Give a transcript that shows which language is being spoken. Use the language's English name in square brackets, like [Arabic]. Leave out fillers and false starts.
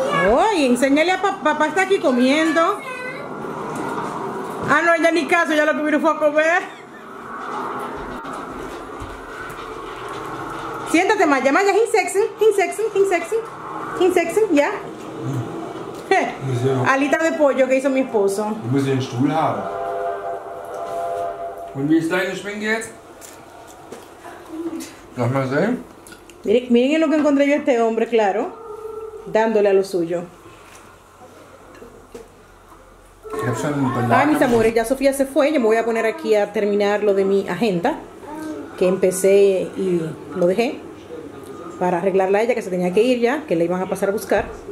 [Spanish] Oye, enséñale a papá, papá está aquí comiendo. Ah, no, ella ni caso, ya lo que vino fue a comer. Siéntate, Maya, Maya, [English] he's sexy, [Spanish] ya. Yeah. Alita de pollo que hizo mi esposo. [German] Du musst den Stuhl haben. Und wie ist deine Schminke jetzt? Lass mal sehen. [Spanish] Miren lo que encontré yo a este hombre, claro, dándole a lo suyo. Ay, mis amores, ya Sofía se fue. Yo me voy a poner aquí a terminar lo de mi agenda que empecé y lo dejé para arreglarla a ella, que se tenía que ir ya, que la iban a pasar a buscar.